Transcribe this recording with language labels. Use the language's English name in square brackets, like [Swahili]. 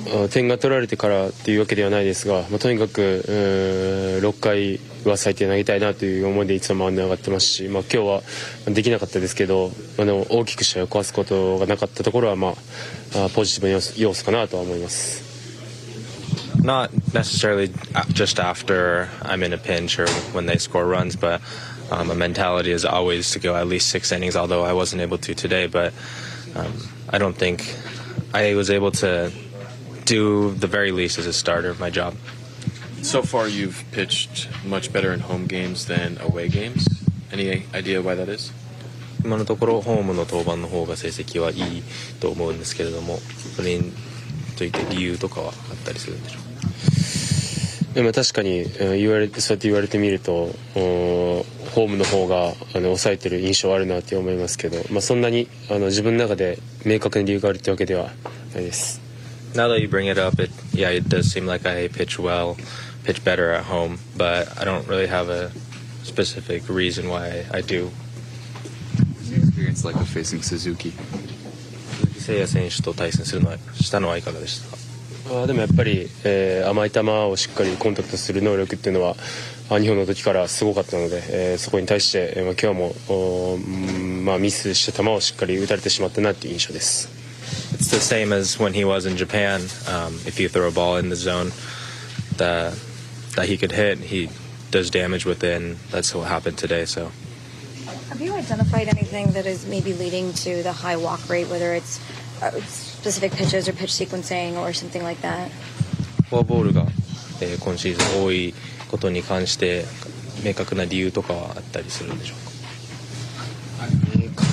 [Japanese] 点が取られてからというわけではないですが、とにかく6回は最低投げたいなという思いでいつもマウンドに上がってますし、今日はできなかったですけど、大きく試合を壊すことがなかったところは、ポジティブな要素かなとは思います。 [English] Not necessarily just after I'm in a pinch or when they score runs, but a mentality is always to go at least 6 innings, although I wasn't able to today, but I don't thinkI was able to do the very least as a starter of my job. So far, you've pitched much better in home games than away games. Any idea why that is? [Japanese] 今のところホームの登板の方が成績はいいと思うんですけれども、それについて理由とかはあったりするんでしょうか。でも確かに言われて、そうやって言われてみると、ホームの方が抑えてる印象はあるなって思いますけど、そんなに自分の中で明確な理由があるってわけではないです。 [English] Now that you bring it up, it does seem like I pitch better at home, but I don't really have a specific reason why I do. Experience like of facing Suzuki? [Japanese] 聖也選手と対戦するのはしたのはいかがでしたか。でもやっぱり、甘い球をしっかりコンタクトする能力っていうのは日本の時からすごかったので、そこに対して、今日も、ミスした球をしっかり打たれてしまったなっていう印象です。 [English] It's the same as when he was in Japan. If you throw a ball in the zone that he could hit, he does damage with it, and that's what happened today. So, have you identified anything that is maybe leading to the high walk rate, whether it'sspecific pitches or pitch sequencing or something like that? [Japanese] フォアボールが、今シーズン多いことに関して明確な理由とかはあったりするんでしょうか。